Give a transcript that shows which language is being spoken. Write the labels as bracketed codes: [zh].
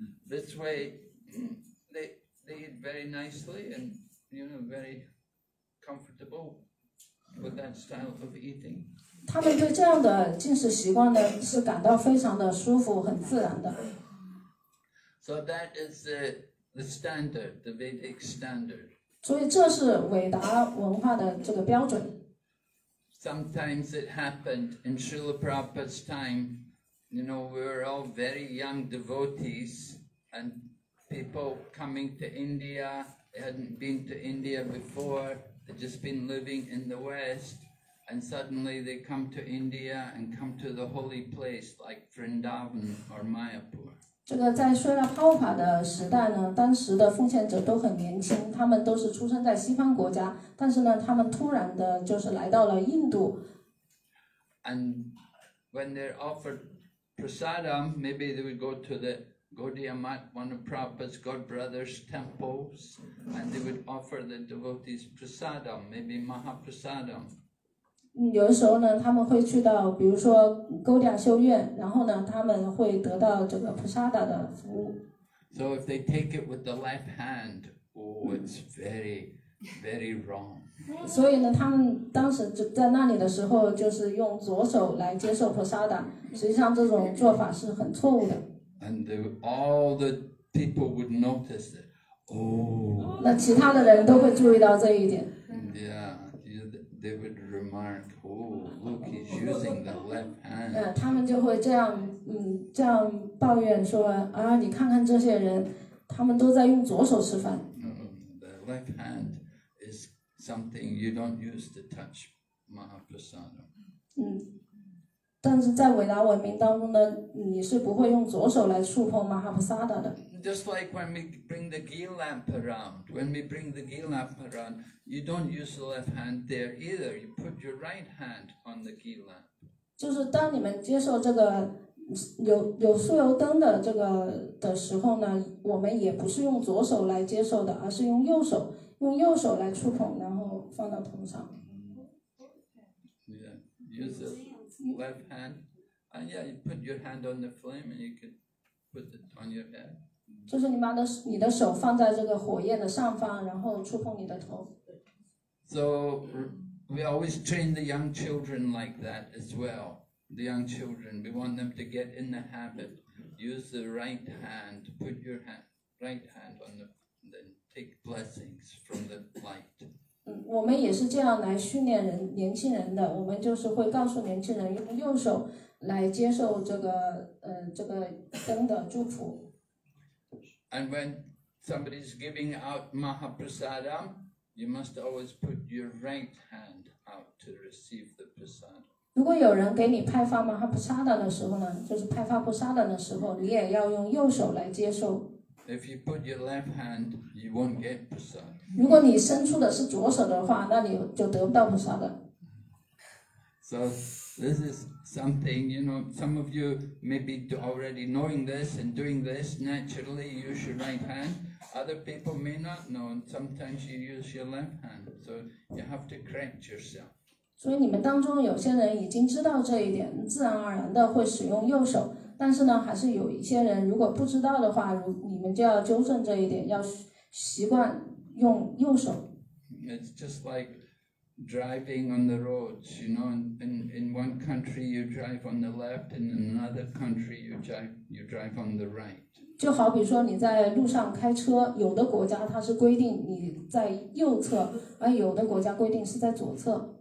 [en] This way, they eat very nicely and you know very comfortable with that style of eating. [zh] 他们对这样的进食习惯呢是感到非常的舒服，很自然的。 [en] So that is the standard, the Vedic standard. [zh] 所以这是韦达文化的这个标准。 [en] Sometimes it happened in Srila Prabhupada's time. You know, we were all very young devotees. And people coming to India, they hadn't been to India before, they'd just been living in the West, and suddenly they come to India and come to the holy place like Vrindavan or Mayapur. [zh] 这个在虽然泡法的时代呢，当时的奉献者都很年轻，他们都是出生在西方国家，但是呢，他们突然的就是来到了印度。 [en] And when they're offered prasadam, maybe they would go to the... Gaudiya Math, one of Prabhupada's godbrothers' temples, and they would offer the devotees prasadam, maybe mahaprasadam. [zh] 有的时候呢，他们会去到，比如说 Gaudiya 修院，然后呢，他们会得到这个 prasada 的服务。 [en] So if they take it with the left hand, oh, it's very, very wrong. [zh] 所以呢，他们当时就在那里的时候，就是用左手来接受 prasada， 实际上这种做法是很错误的。 [en] And all the people would notice it. Oh. [zh] 那其他的人都会注意到这一点。 [en] Yeah, they would remark, "Oh, look, he's using the left hand." [zh] 他们就会这样，这样抱怨说啊，你看看这些人，他们都在用左手吃饭。 [en] The left hand is something you don't use to touch Mahaprasada. [zh] 但是在韦达文明当中呢，你是不会用左手来触碰玛哈普萨达的。 [en] Just like when we bring the ghee lamp around, when we bring the ghee lamp around, you don't use the left hand there either. You put your right hand on the ghee lamp. [zh] 就是当你们接受这个有酥油灯的这个的时候呢，我们也不是用左手来接受的，而是用右手来触碰，然后放到头上。 [en] Yeah, left hand, and yeah, you put your hand on the flame, and you could put it on your head. [zh] 就是你把你的手放在这个火焰的上方，然后触碰你的头。 [en] So we always train the young children like that as well. The young children, we want them to get in the habit. Use the right hand. Put your right hand on the, then take blessings from the light. [zh] 我们也是这样来训练人年轻人的，我们就是会告诉年轻人用右手来接受这个灯的祝福。 [en] And when somebody's giving out Mahaprasadam, you must always put your right hand out to receive the prasadam. [zh] 如果有人给你派发Mahaprasadam的时候呢，就是派发Prasadam的时候，你也要用右手来接受。 [en] If you put your left hand, you won't get prasad. [zh] 如果你伸出的是左手的话，那你就得不到prasad的。 [en] So this is something, you know, some of you may be already knowing this and doing this naturally, use your right hand. Other people may not know, and sometimes you use your left hand. So you have to correct yourself. [zh] 所以你们当中有些人已经知道这一点，自然而然的会使用右手。但是呢，还是有一些人如果不知道的话，你们就要纠正这一点，要习惯用右手。 [en] It's just like driving on the roads, you know. In one country you drive on the left, and in another country you drive on the right. [zh] 就好比说你在路上开车，有的国家它是规定你在右侧，而有的国家规定是在左侧。